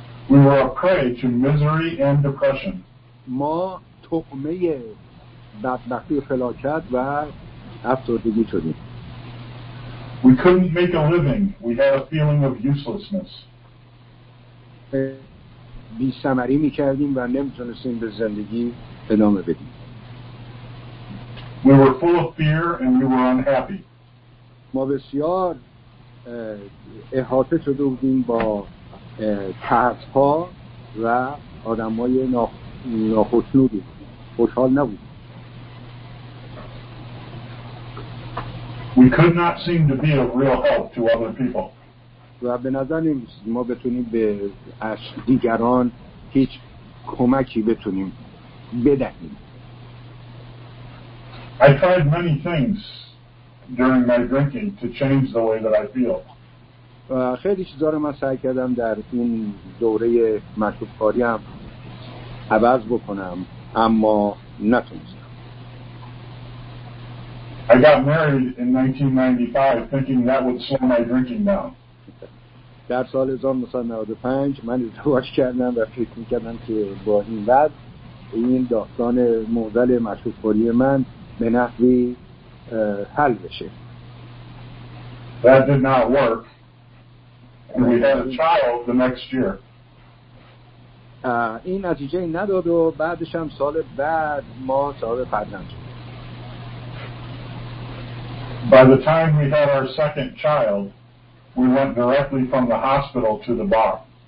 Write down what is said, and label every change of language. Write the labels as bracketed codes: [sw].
[en] We were a prey to misery and depression. [fa] ما طعمه بدبختی و فلاکت و افسردگی شدیم. [en] We couldn't make a living. We had a feeling of uselessness. [fa] بی‌ثمری می‌کردیم و نمی‌تونستیم به زندگی ادامه بدیم. [en] We were full of fear and we were unhappy. [fa] ما بسیار احاطه شده بودیم با ترس‌ها و آدم‌های ناخوشنودی. خوشحال نبودیم. [en] We could not seem to be of real help to other people. [fa] و به نظر نمی‌رسید ما بتونیم به از دیگران هیچ کمکی بتونیم بدهیم. [en] I tried many things during my drinking to change the way that I feel. [fa] خیلی چیزا رو من سعی کردم در این دوره مشروب‌خواری‌ام عوض بکنم اما نتونستم. [en] I got married in 1995 thinking that would slow my drinking down. [fa] در سال 1995 من ازدواج کردم و فکر می‌کردم که با این بعد این داستان معضل مشروب‌خوری من به نحوی حل بشه. [en] That did not work. And we had a child the next year. [fa] این نتیجه نداد و بعدش هم سال بعد ما صاحب فرزند شدیم. [en] By the time we had our second child, we went directly from the hospital to the bar.